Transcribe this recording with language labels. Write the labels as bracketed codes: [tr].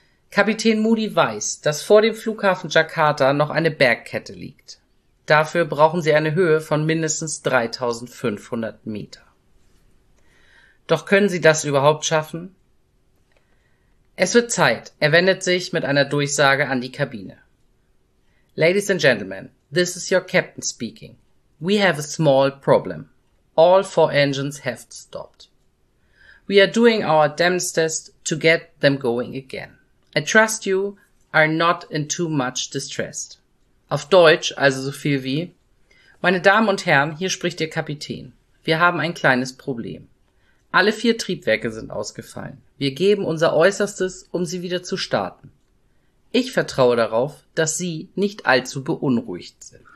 [de] Kapitän Moody weiß, dass vor dem Flughafen Jakarta noch eine Bergkette liegt. Dafür brauchen sie eine Höhe von mindestens 3500 Meter. Doch können sie das überhaupt schaffen? Es wird Zeit. Er wendet sich mit einer Durchsage an die Kabine. [en] Ladies and gentlemen, this is your captain speaking. We have a small problem. All four engines have stopped. We are doing our damnedest test to get them going again. I trust you are not in too much distress. [de] Auf Deutsch, also so viel wie: Meine Damen und Herren, hier spricht Ihr Kapitän. Wir haben ein kleines Problem. Alle vier Triebwerke sind ausgefallen. Wir geben unser Äußerstes, um sie wieder zu starten. Ich vertraue darauf, dass Sie nicht allzu beunruhigt sind.